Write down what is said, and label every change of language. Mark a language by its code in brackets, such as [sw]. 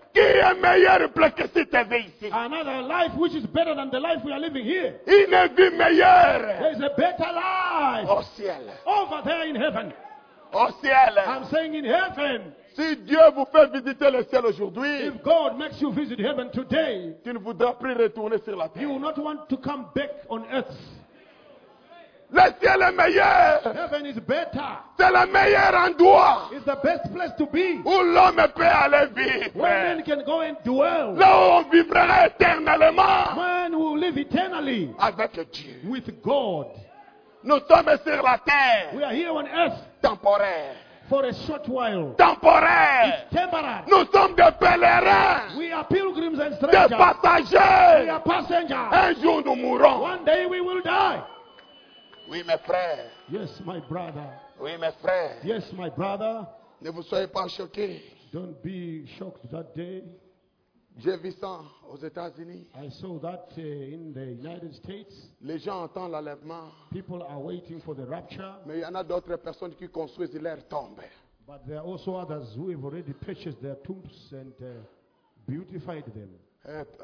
[fr] Qui est meilleure plus que cette vie ici? [en] Another life which is better than the life we are living here. [fr] Une vie meilleure. [en] There is a better life. [fr] Au ciel. [en] Over there in heaven. [fr] Au ciel. [en] I'm saying in heaven. [fr] Si Dieu vous fait visiter le ciel aujourd'hui, [en] if God makes you visit heaven today, [fr] tu ne voudras plus retourner sur la terre. [en] You will not want to come back on earth. [fr] Le ciel est meilleur. [en] Heaven is better. [fr] C'est le meilleur endroit. [en] It's the best place to be. [fr] Où l'homme peut aller vivre. [en] Where men can go and dwell. [fr] Là où on vivra éternellement. [en] Man will live eternally. [fr] Avec Dieu. [en] With God. [fr] Nous sommes sur la terre. [en] We are here on earth. [fr] Temporaire. [en] For a short while. [fr] Temporaire. [en] It's temporary. [fr] Nous sommes des pèlerins. [en] We are pilgrims and strangers. [fr] Des passagers. [en] We are passengers. [fr] Un jour nous mourrons. [en] One day we will die. [fr] Oui, mes frères. [en] Yes, my brother. [fr] Oui, mes frères. [en] Yes, my brother. [fr] Ne vous soyez pas choqués. [en] Don't be shocked that day. [fr] J'ai vu ça aux États-Unis. [en] I saw that in the United States. [fr] Les gens attendent l'enlèvement. [en] People are waiting for the rapture. [fr] Mais il y en a d'autres personnes qui construisent leurs tombes. [en] But there are also others who have already purchased their tombs and beautified them.